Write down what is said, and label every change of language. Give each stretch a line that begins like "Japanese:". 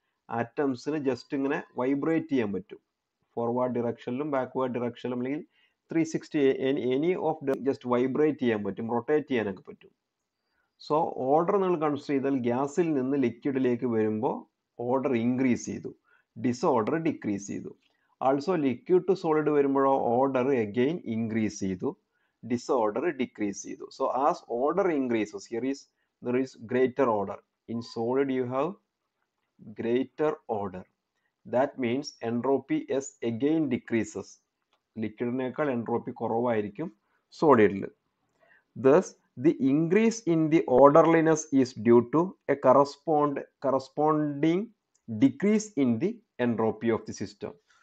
Malayalam: ആറ്റംസിന് just ഇങ്ങനെ vibrate ചെയ്യാൻ പറ്റും. ഫോർവേഡ് ഡിറക്ഷനിലും ബാക്ക്വേർഡ് ഡിറക്ഷനിലും അല്ലെങ്കിൽ 360 എനി ഓഫ് ജസ്റ്റ് വൈബ്രേറ്റ് ചെയ്യാൻ പറ്റും, റൊട്ടേറ്റ് ചെയ്യാനൊക്കെ പറ്റും. സോ ഓർഡർ നിങ്ങൾ കൺസിഡർ ചെയ്താൽ ഗ്യാസിൽ നിന്ന് ലിക്വിഡിലേക്ക് വരുമ്പോൾ ഓർഡർ ഇൻക്രീസ് ചെയ്തു, ഡിസോർഡർ ഡിക്രീസ് ചെയ്തു. ആൾസോ ലിക്വിഡ് ടു സോളിഡ് വരുമ്പോഴോ ഓർഡർ എഗെയിൻ ഇൻക്രീസ് ചെയ്തു,
English: disorder decrease
Malayalam: ചെയ്തു.
English: So as order increases, there is greater order. In solid you have greater order. That means entropy S again decreases.
Malayalam: ലിക്വിഡിനേക്കാൾ entropy കുറവായിരിക്കും സോളിഡിൽ.
English: Thus the increase in the orderliness is due to a corresponding decrease in the entropy of the system.